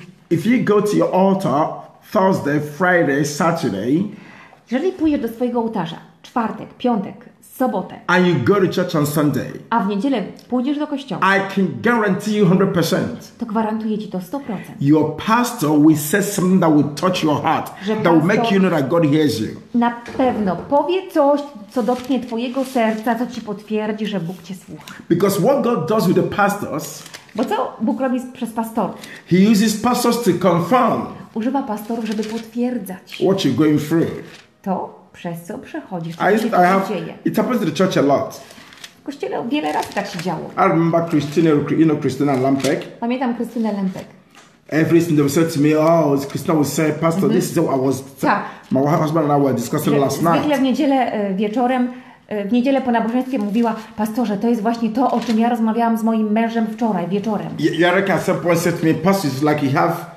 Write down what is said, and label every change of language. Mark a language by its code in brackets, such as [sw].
[en] If you go to your altar Thursday, Friday, Saturday. [pl] Jeżeli pójdziesz do swojego ołtarza czwartek, piątek, sobotę. [en] And you go to church on Sunday. [pl] A w niedzielę pójdziesz do kościoła. [en] I can guarantee you 100%. [pl] To gwarantuję ci to 100%. [en] Your pastor will say something that will touch your heart. That will make you know that God hears you. [pl] Na pewno powie coś, co dotknie twojego serca, co ci potwierdzi, że Bóg cię słucha. [en] Because what God does with the pastors. [pl] Bo co Bóg robi przez pastorów? [en] He uses pastors to confirm. [pl] Używa pastorów, żeby potwierdzać. [en] What you're going through. [pl] To przez co przechodzisz, co się tu dzieje. [en] It happens to the church a lot. [pl] W kościele wiele razy tak się działo. [en] I remember Christina, you know Christina Lampek. [pl] Pamiętam Christina Lampek. [en] Every time they would say to me, oh, Christina would say, Pastor, mm-hmm. This is what I was... My husband and I were discussing last night. [pl] Zwykle w niedzielę wieczorem, w niedzielę po nabożeństwie mówiła, Pastorze, to jest właśnie to, o czym ja rozmawiałam z moim mężem wczoraj, wieczorem. [en] Jarek at some point said to me, Pastor, it's like you have